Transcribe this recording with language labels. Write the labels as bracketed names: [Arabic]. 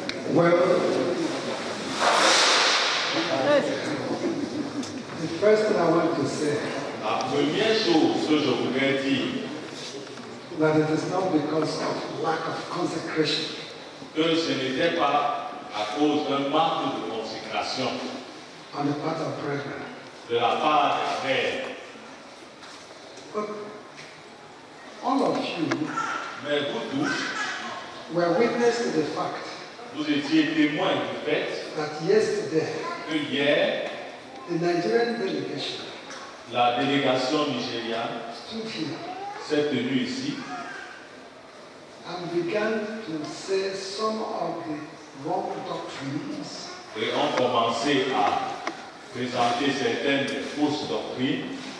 [English] Well, the first thing I want to say, [French] la première chose que je voudrais dire, [English] that it is not because of lack of consecration, [French] que ce n'était pas à cause d'un manque de consécration, [English] on the part of prayer, [French] de la part des frères. [English] But all of you, [French] mais vous tous, [English] were witness to the fact. [French] Vous étiez témoin du fait [English] that yesterday, [French] que hier, [English] the Nigerian delegation, [French] la délégation nigériane [English] stood here, [French] s'est tenue ici [English] and began to say some of the wrong doctrines, [French] et ont commencé à présenter certaines des fausses doctrines